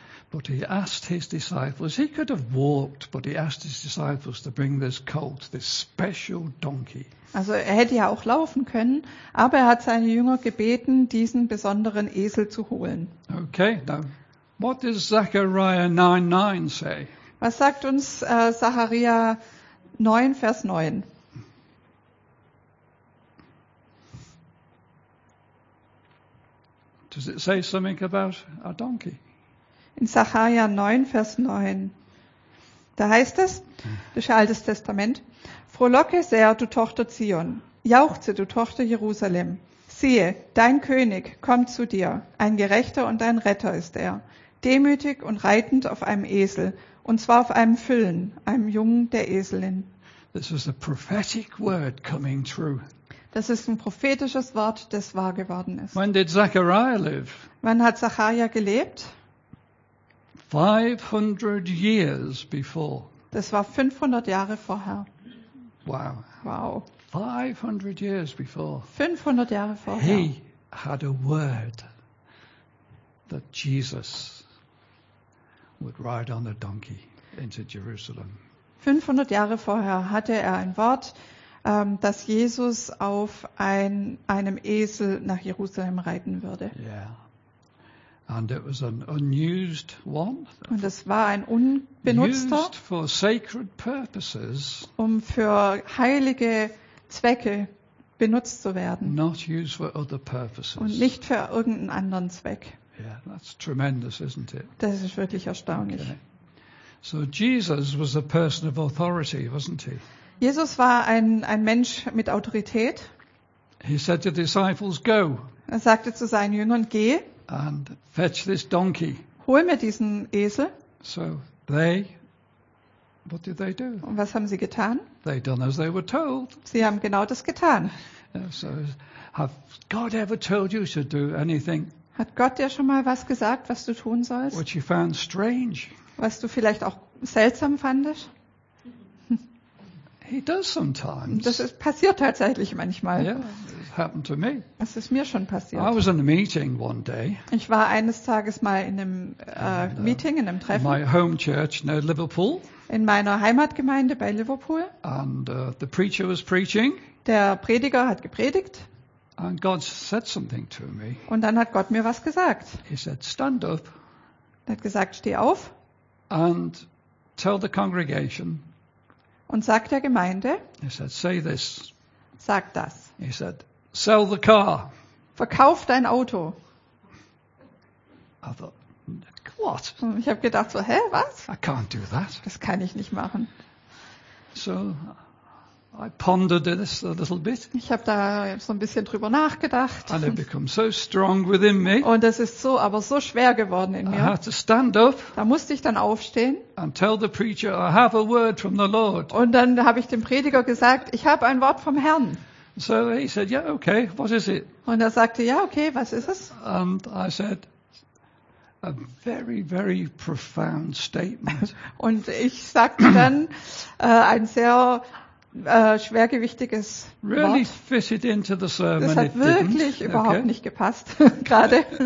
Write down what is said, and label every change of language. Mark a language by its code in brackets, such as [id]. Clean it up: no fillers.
[en] But he asked his disciples, he could have walked, but he asked his disciples to bring this colt, this special donkey. [de] Also er hätte ja auch laufen können, aber er hat seine Jünger gebeten, diesen besonderen Esel zu holen. [en] Okay, now. What does Zechariah 9:9 say? [de] Was sagt uns Zachariah 9, Vers 9? [en] Does it say something about a donkey? [de] In Zachariah 9, Vers 9, da heißt es, das ist Altes Testament, Frohlocke sehr, du Tochter Zion, jauchze, du Tochter Jerusalem. Siehe, dein König kommt zu dir, ein Gerechter und ein Retter ist er. Demütig und reitend auf einem Esel, und zwar auf einem Füllen, einem Jungen der Eselin. [en] This is a prophetic word coming true. [de] Das ist ein prophetisches Wort, das wahr geworden ist. [en] When did Zechariah live? [de] Wann hat Zachariah gelebt? [en] 500 years before. [de] Das war 500 Jahre vorher. Wow. Wow. [en] 500 years before. [de] 500 Jahre vorher. [en] He had a word that Jesus would ride on a donkey into Jerusalem. [de] 500 Jahre vorher hatte er ein Wort, dass Jesus auf einem Esel nach Jerusalem reiten würde. [en] Yeah. And it was an unused one. [de] Und es war ein unbenutzter. [en] Used for sacred purposes. [de] Um für heilige Zwecke benutzt zu werden. [en] Not used for other purposes. [de] Und nicht für irgendeinen anderen Zweck. [en] Yeah, that's tremendous, isn't it? [de] Das ist wirklich erstaunlich. [en] Okay. So Jesus was a person of authority, wasn't he? [de] Jesus war ein Mensch mit Autorität. [en] He said to the disciples, go. [de] Er sagte zu seinen Jüngern, geh. [en] And fetch this donkey. [de] Hol mir diesen Esel. [en] So they, what did they do? [de] Und was haben sie getan? [en] They done as they were told. [de] Sie haben genau das getan. [en] Yeah, so have God ever told you to do anything? [de] Hat Gott dir schon mal was gesagt, was du tun sollst? [en] What you found strange. [de] Was du vielleicht auch seltsam fandest? [en] He does sometimes. [de] Das passiert tatsächlich manchmal. [en] Yeah. happened to me. [de] Es ist mir schon passiert. [en] I was in a meeting one day. [de] Ich war eines Tages mal in einem Meeting, in einem Treffen. [en] My home church near Liverpool. [de] In meiner Heimatgemeinde bei Liverpool. [en] And the preacher was preaching. [de] Der Prediger hat gepredigt. [en] And God said something to me. [de] Und dann hat Gott mir was gesagt. [en] He said, "Stand up." [de] Er hat gesagt, steh auf. [en] And tell the congregation. [de] Und sagt der Gemeinde. [en] He said, "Say this." [de] Sag das. [en] He said, "Sell the car." [de] Verkauf dein Auto. [en] I thought, what? [de] Ich habe gedacht so, hä, was? [en] I can't do that. [de] Das kann ich nicht machen. [en] So I pondered this a little bit. [de] Ich habe da so ein bisschen drüber nachgedacht. [en] And it became so strong within me. [de] Und es ist so, aber so schwer geworden in mir. [en] I had to stand up. [de] Da musste ich dann aufstehen. [en] And tell the preacher, "I have a word from the Lord." [de] Und dann habe ich dem Prediger gesagt, ich habe ein Wort vom Herrn. [en] So he said, "Yeah, okay, what is it?" [de] Und er sagte, ja, okay, was ist es? [en] And I said, a very, very profound statement. [de] Und ich sagte dann ein sehr schwergewichtiges [en] really [de] Wort. [en] Fit it into the sermon. [de] Das hat wirklich überhaupt nicht gepasst, gerade.